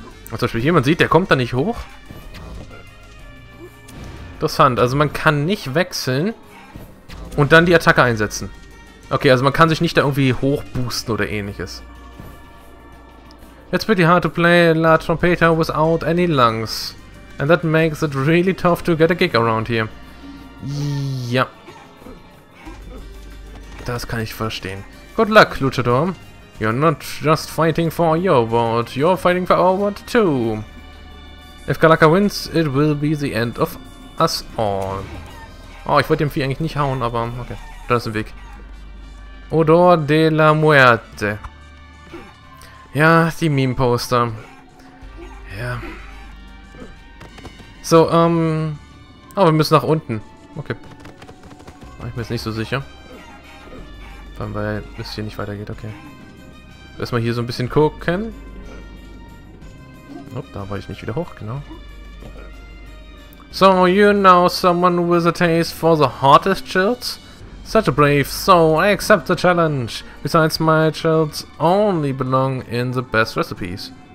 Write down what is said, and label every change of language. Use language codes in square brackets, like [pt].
[de] Und zum Beispiel hier, man sieht, der kommt da nicht hoch. Interessant. Also man kann nicht wechseln und dann die Attacke einsetzen. Okay, also man kann sich nicht da irgendwie hochboosten oder ähnliches. [en] It's pretty hard to play La Trompeta without any lungs. And that makes it really tough to get a gig around here. Ja. [de] Das kann ich verstehen. [en] Good luck, Luchador. You're not just fighting for your world, you're fighting for our world too. If Galaka wins, it will be the end of us all. [de] Oh, ich wollte dem Vieh eigentlich nicht hauen, aber okay. Da ist ein Weg. Odor de la Muerte. Ja, die Meme-Poster. Ja. So, oh, wir müssen nach unten. Okay. Ich bin jetzt nicht so sicher. Weil es hier nicht weitergeht, okay. Erstmal hier so ein bisschen gucken. Oh, da war ich nicht wieder hoch, genau. [en] So, you know someone with a taste for the hottest chills? Such a brave soul, I accept the challenge. Besides, my chills only belong in the best recipes.